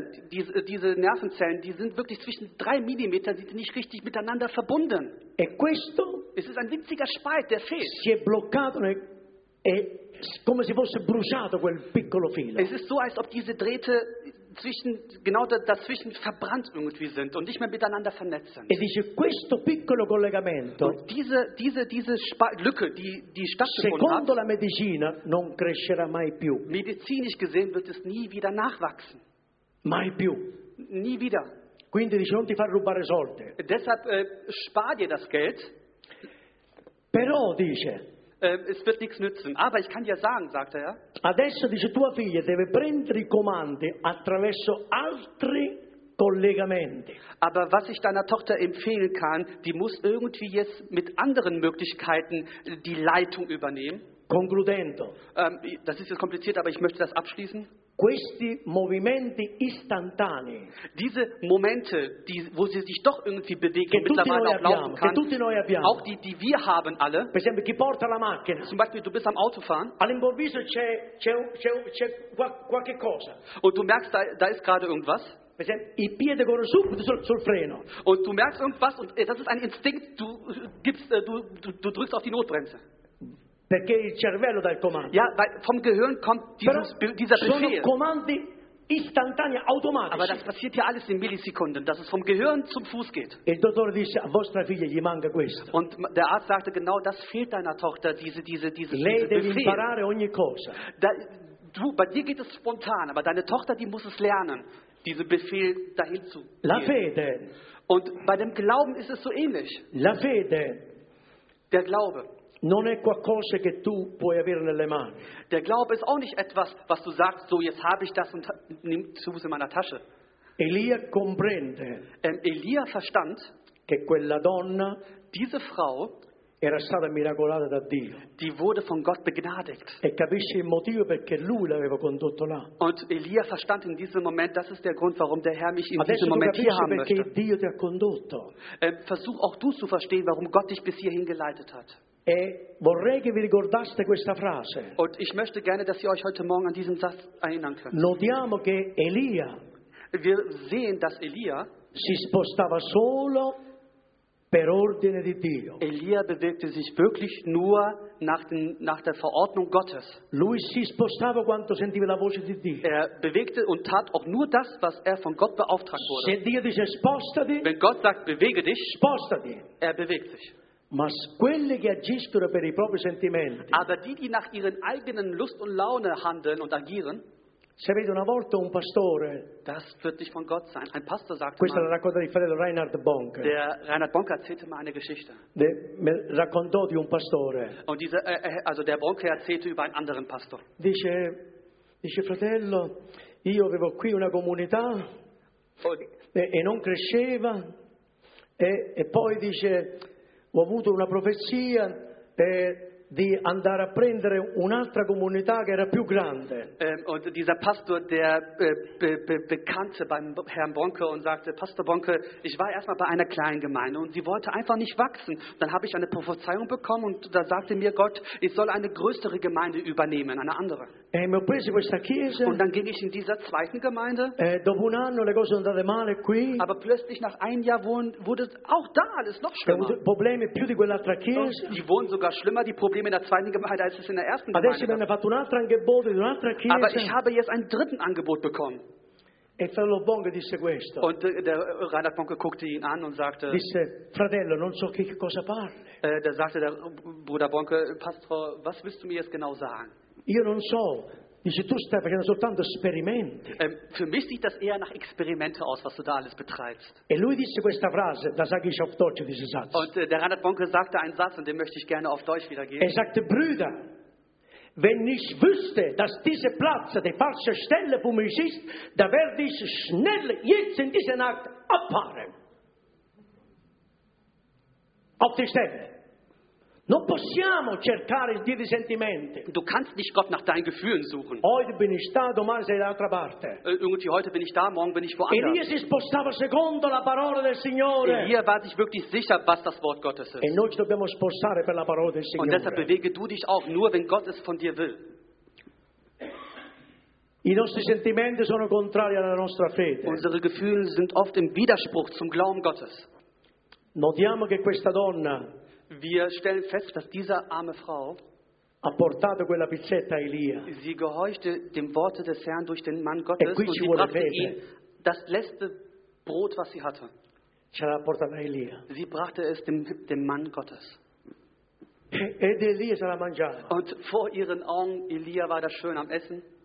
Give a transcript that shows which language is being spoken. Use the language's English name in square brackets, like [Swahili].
[German] Diese Nervenzellen, die sind wirklich zwischen 3 mm, sind nicht richtig miteinander verbunden. [Italian] E questo? [German] Es ist ein winziger Spalt, der fehlt. [Italian] Si è bloccato nel, è come se fosse bruciato quel piccolo filo. [German] Es ist so, als ob diese Drähte zwischen, genau dazwischen verbrannt irgendwie sind und nicht mehr miteinander vernetzt sind. [Italian] E dice, questo piccolo collegamento, [German] und diese Lücke, die stattgefunden [Italian] secondo [German] hat, [Italian] la medicina, non crescerà mai più. [German] Medizinisch gesehen wird es nie wieder nachwachsen. [Italian] Mai più. [German] Nie wieder. [Italian] Quindi dice, non ti far rubare soldi. [German] Deshalb spar dir das Geld. [Italian] Però dice, [German] es wird nichts nützen, aber ich kann dir sagen, sagte er. [Italian] Adesso dice tua figlia deve prendere i comandi attraverso altri collegamenti. [German] Aber was ich deiner Tochter empfehlen kann, die muss irgendwie jetzt mit anderen Möglichkeiten die Leitung übernehmen. [Italian] Concludendo. [German] Das ist jetzt kompliziert, aber ich möchte das abschließen. [Italian] Questi movimenti istantanei. [German] Diese Momente, die, wo sie sich doch irgendwie bewegen, mittlerweile auch laufen kann. [Italian] Che tutti noi abbiamo. [German] Auch die wir haben alle. [Italian] Per esempio, chi porta la macchina. [German] Zum Beispiel, du bist am Autofahren. [Italian] All'improvviso c'è qualche cosa. [German] Und du merkst, da ist gerade irgendwas. [Italian] Per esempio, i piedi corrono subito sul freno. [German] Und du merkst irgendwas, und das ist ein Instinkt, du drückst auf die Notbremse. [Italian] Perché il cervello dà il comando. [German] Ja, weil vom Gehirn kommt dieser Befehl. [Italian] Sono comandi istantanei, automatici. [German] Aber das passiert ja alles in Millisekunden, dass es vom Gehirn zum Fuß geht. [Italian] Il dottore dice, a vostra figlia gli manca questo. [German] Und der Arzt sagte, genau das fehlt deiner Tochter, diese [Italian] Lei deve [German] Befehl. [Italian] Imparare ogni cosa. [German] Bei dir geht es spontan, aber deine Tochter, die muss es lernen, diesen Befehl dahin zu geben. [Italian] La fede. [German] Und bei dem Glauben ist es so ähnlich. [Italian] La fede. [German] Der Glaube. [Italian] Non è qualcosa che tu puoi avere nelle mani. [German] Der Glaube ist auch nicht etwas, was du sagst, so jetzt habe ich das und nimm zu in meiner Tasche. [Italian] Elia comprende. [German] Elia verstand, [Italian] che quella donna, [German] diese Frau, [Italian] era stata miracolata da Dio. [German] Die wurde von Gott begnadigt. [Italian] E capisce il motivo perché lui l'aveva condotto là. [German] Und Elia verstand in diesem Moment, das ist der Grund, warum der Herr mich in [Italian] adesso [German] diesem Moment hier haben möchte. [Italian] Perché Dio ti ha condotto. [German] Versuch auch du zu verstehen, warum Gott dich bis hierhin geleitet hat. [Italian] E vorrei che vi ricordaste questa frase. [German] Und ich möchte gerne, dass ihr euch heute Morgen an diesen Satz erinnern könnt. [Italian] Notiamo che Elia, [German] wir sehen, dass Elia [Italian] si spostava solo per ordine di Dio. [German] Elia bewegte sich wirklich nur nach der Verordnung Gottes. [Italian] Lui si spostava quanto sentiva la voce di Dio. [German] Er bewegte und tat auch nur das, was er von Gott beauftragt wurde. [Italian] Se Dio dice spostati, [German] wenn Gott sagt, bewege dich, [Italian] spostati. [German] Er bewegt sich. [Italian] Ma quelli che agiscono per i propri sentimenti. [German] Aber die nach ihren eigenen Lust und Laune handeln und agieren. [Italian] Se vede una volta un pastore. [German] Das wird nicht von Gott sein. Ein Pastor sagte. [Italian] Questa la racconta il fratello Reinhard Bonke. [German] Der Reinhard Bonke erzählte mal eine Geschichte. [Italian] Mi raccontò di un pastore. [German] Und dieser, also der Bonke erzählte über einen anderen Pastor. [Italian] Dice fratello, io avevo qui una comunità e non cresceva e poi dice. Ho avuto una profezia di andare a prendere un'altra comunità che era più grande. [German] Und dieser Pastor, der bekannte beim Herrn Bonke und sagte, Pastor Bonke, ich war erstmal bei einer kleinen Gemeinde und sie wollte einfach nicht wachsen. Dann habe ich eine Prophezeiung bekommen und da sagte mir Gott, ich soll eine größere Gemeinde übernehmen, eine andere. [Italian] E mi ho preso questa chiesa. [German] Und dann ging ich in dieser zweiten Gemeinde. [Italian] Dopo un anno le cose sono andate male qui. [German] Aber plötzlich nach einem Jahr wurde auch da alles noch schlimmer. [Italian] Probleme più di quell'altra chiesa. [German] Die wurden sogar schlimmer, die Probleme in der zweiten Gemeinde, als es in der ersten Gemeinde. [Italian] Adesso mi hanno fatto un altro angebot in un'altra chiesa. [German] Aber ich habe jetzt ein drittes Angebot bekommen. [Italian] E Fratello Bonke disse questo. [German] Und der Reinhard Bonke guckte ihn an und sagte: [Italian] disse, Fratello, non so che cosa parli. [German] Da sagte der Bruder Bonke: Pastor, was willst du mir jetzt genau sagen? [Italian] Io non so. Dice, tu stai facendo soltanto sperimenti. [German] Für mich sieht das eher nach Experimente aus, was du da alles betreibst. [Italian] E lui disse questa frase, [German] da sage ich auf Deutsch diesen Satz. Und der Reinhard Bonke sagte einen Satz, und den möchte ich gerne auf Deutsch wiedergeben. Er sagte: Brüder, wenn ich wüsste, dass dieser Platz die falsche Stelle für mich ist, da werde ich schnell jetzt in dieser Nacht abfahren. Auf die Stelle. [Italian] Non possiamo cercare di sentimenti. [German] Du kannst nicht Gott nach deinen Gefühlen suchen. Heute bin ich da, [Italian] domani sei dall'altra parte. [German] Irgendwie heute bin ich da, morgen bin ich woanders. [Italian] Elia si spostava secondo la parola del Signore. [German] Elia war sich wirklich sicher, was das Wort Gottes ist. [Italian] E noi ci dobbiamo spostare per la parola del Signore. [German] Und deshalb bewege du dich auch nur, wenn Gott es von dir will. [Italian] I nostri sentimenti sono contrari alla nostra fede. [German] Unsere Gefühle sind oft im Widerspruch zum Glauben Gottes. [Italian] Notiamo che questa donna. [German] Wir stellen fest, dass diese arme Frau [Italian] ha portato quella pizzetta a Elia. [German] Sie gehorchte dem Worte des Herrn durch den Mann Gottes [Italian] e qui [German] und sie [Italian] vuole [German] brachte [Italian] vedere. [German] Ihm das letzte Brot, was sie hatte. [Italian] Ce l'ha portata a Elia. [German] Sie brachte es dem Mann Gottes. [Italian] Ed Elia se la mangiava. [German] Und vor ihren Augen, Elia war da schön am Essen.